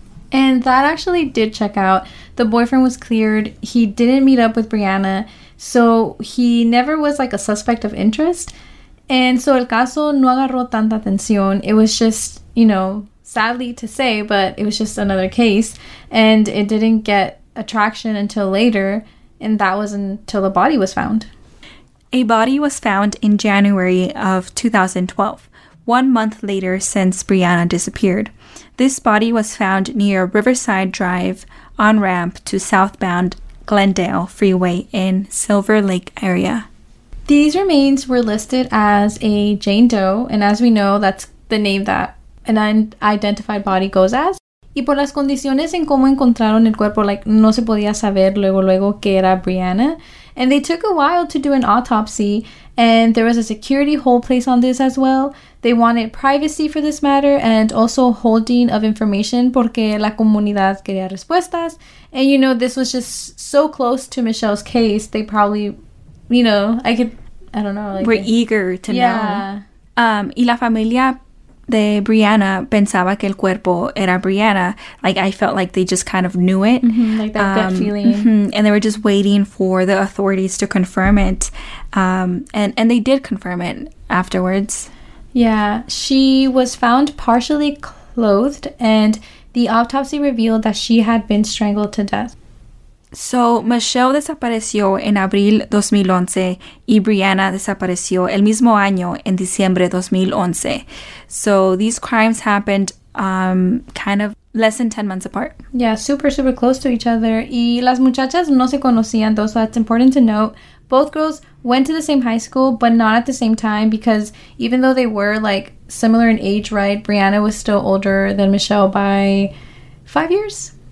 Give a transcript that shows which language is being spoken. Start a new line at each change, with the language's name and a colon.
English: And that actually did check out. The boyfriend was cleared. He didn't meet up with Brianna. So he never was, like, a suspect of interest. And so
Spanish: el caso no agarró tanta atención.
English: It was just, you know, sadly to say, but it was just another case. And it didn't get attraction until later. And that was until the body was found. A body was found in January of 2012, 1 month later since Brianna disappeared. This body was found near Riverside Drive on ramp to southbound Glendale Freeway in Silver Lake area. These remains were listed as a Jane Doe, and as we know, that's the name that an unidentified body goes as.
Spanish: Y por las condiciones en cómo encontraron el cuerpo, like, no se podía saber luego que era Brianna.
English: And they took a while to do an autopsy, and there was a security hold placed on this as well. They wanted privacy for this matter and also holding of information
Spanish: porque la comunidad quería respuestas.
English: And, you know, this was just so close to Michelle's case, they probably... You know, I don't know. Like, we're eager to know. Yeah.
Spanish: Y la familia de Brianna pensaba que el cuerpo era Brianna.
English: Like, I felt like they just kind of knew it. Mm-hmm, like that gut feeling. Mm-hmm, and they were just waiting for the authorities to confirm it. And they did confirm it afterwards. Yeah, she was found partially clothed, and the autopsy revealed that she had been strangled to death.
Spanish: So, Michelle desapareció en abril 2011 y Brianna desapareció el mismo año en diciembre 2011.
English: So, these crimes happened kind of less than 10 months apart. Yeah, super, super close to each other.
Spanish: Y las muchachas no se conocían,
English: though, so that's important to note. Both girls went to the same high school, but not at the same time, because even though they were, like, similar in age, right, Brianna was still older than Michelle by 5 years.